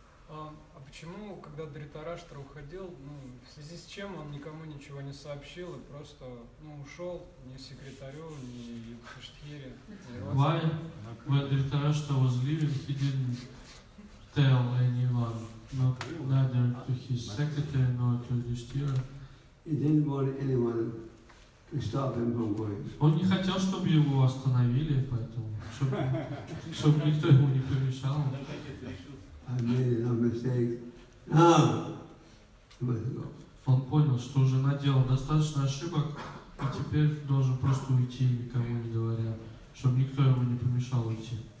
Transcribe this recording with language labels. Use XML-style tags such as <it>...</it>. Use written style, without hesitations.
<ru>А почему, когда Дритараштра уходил, ну, в связи с чем он никому ничего не сообщил и просто ушел, ни секретарю, ни Юдхиштхире?</ru> <en>Why? When Dhritarashtra was leaving, he didn't tell anyone, not, neither to his secretary nor to Yudhishthira. He didn't want anyone to stop him from going.</en> <ru>Он не хотел, чтобы его остановили, поэтому, чтобы никто ему не помешал.</ru> <en>I made a mistake. Now, let's go.</en> <ru>Он понял, что уже наделал достаточно ошибок, и теперь должен просто уйти, никому не говоря, чтобы никто ему не помешал уйти.</ru>